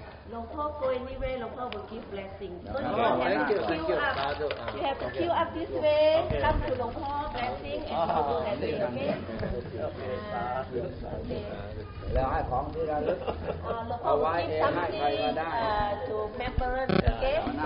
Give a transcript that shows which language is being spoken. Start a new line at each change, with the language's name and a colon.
English: หลวงพ่อ go anywhere หลวงพ่อ will give blessing so you have to queue up you have to queue up this way come to หลวงพ่อ blessing and you will have to
Thai: okay แล้วให้ของที่ระลึก เอาไว้ให้ใครก็ได้
English: to member okay